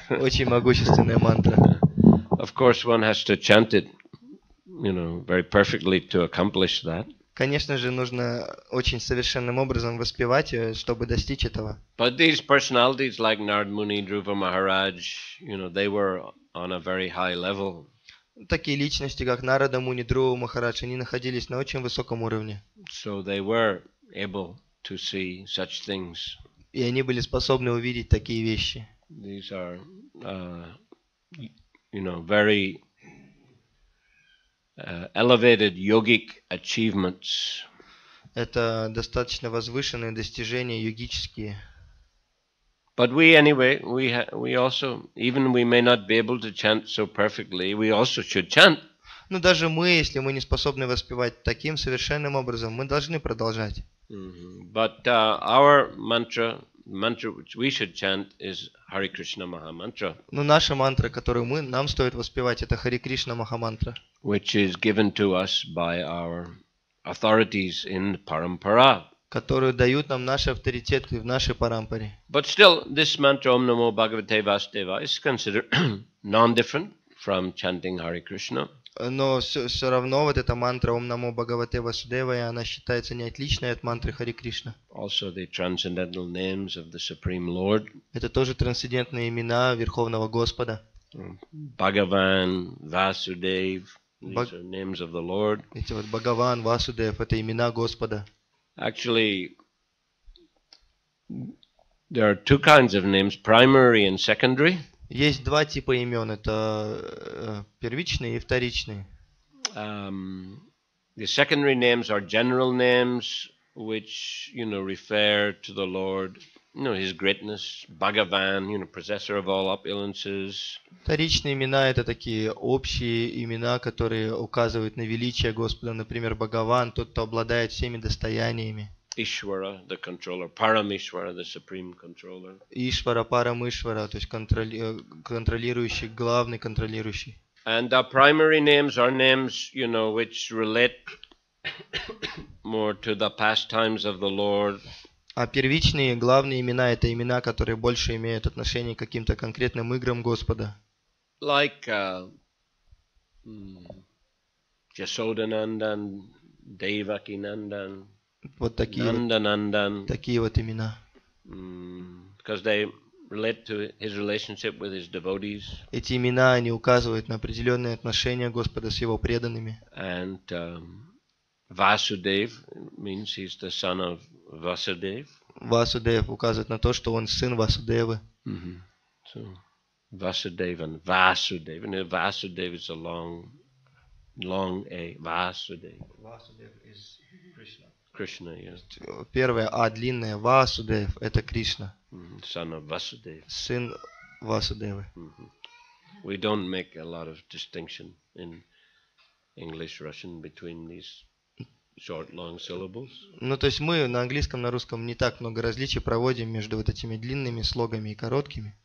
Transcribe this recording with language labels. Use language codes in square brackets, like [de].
[ru] Очень могущественная мантра. [en] Of course, one has to chant it, you know, very perfectly to accomplish that. [ru] Конечно же, нужно очень совершенным образом воспевать ее, чтобы достичь этого. [en] But these personalities like Narad Muni, Dhruva Maharaj, you know, they were on a very high level. [ru] Такие личности, как Нарада Муни, Друва Махарадж, они находились на очень высоком уровне. [en] So they were able to see such things. [ru] И они были способны увидеть такие вещи. [en] These are, you know, very elevated yogic achievements. [ru] Это достаточно возвышенные достижения йогические. [en] But we anyway, we also, even we may not be able to chant so perfectly, we also should chant. [ru] Но даже мы, если мы не способны воспевать таким совершенным образом, мы должны продолжать. [en] But our mantra. The mantra which we should chant is Hare Krishna Maha Mantra. [ru] Но наша мантра, которую нам стоит воспевать, это Hare Krishna Maha Mantra. [en] Which is given to us by our authorities in Parampara. [ru] Которую дают нам наши авторитеты в нашей парампаре. [en] But still, this mantra Om Namo Bhagavate Vasudevaya is considered non-different from chanting Hare Krishna. [ru] Но все равно вот эта мантра Ом Намо Бхагавате Васудевая, она считается неотличной от мантры Хари Кришна. [en] Also the transcendental names of the Supreme Lord. [ru] Это тоже трансцендентные имена Верховного Господа. [en] Бхагаван, Васудев, these are names of the Lord. [ru] Эти вот Бхагаван, Васудев, это имена Господа. [en] Actually, there are two kinds of names, primary and secondary. [ru] Есть два типа имен, это первичные и вторичные. [en] The secondary names are general names, which, you know, refer to the Lord, you know, His greatness, Bhagavan, you know, possessor of all opulences. [ru] Вторичные имена – это такие общие имена, которые указывают на величие Господа, например, Бхагаван, тот, кто обладает всеми достояниями. [en] Ишвара, the controller, Парамишвара, the supreme controller. [ru] Ишвара, Парамишвара, то есть контролирующий, главный контролирующий. [en] And our primary names are names, you know, which relate more to the pastimes of the Lord. [ru] А первичные, главные имена – это имена, которые больше имеют отношение к каким-то конкретным играм Господа. [en] Like Jasodanandan, Devakinandan. [ru] Вот такие, [en] Nandanandan, [ru] такие вот имена. [en] Because they relate to his relationship with his devotees. [ru] Эти имена, они указывают на определенные отношения Господа с его преданными. [en] And Vasudev means he's the son of Vasudev. [ru] Vasudev указывает на то, что он сын Васудевы. [en] So, Vasudev and Vasudev. And Vasudev is a long, long A. Vasudev. Vasudev is Krishna. Krishna, yes. [ru] Первое А длинное Васудев это Кришна. [en] Son of Vasudev. [ru] Сын Васудевы. [en] We don't make a lot of distinction in English, Russian between these short, long syllables. [ru] Ну, то есть мы на английском, на русском не так много различий проводим между вот этими длинными слогами и короткими.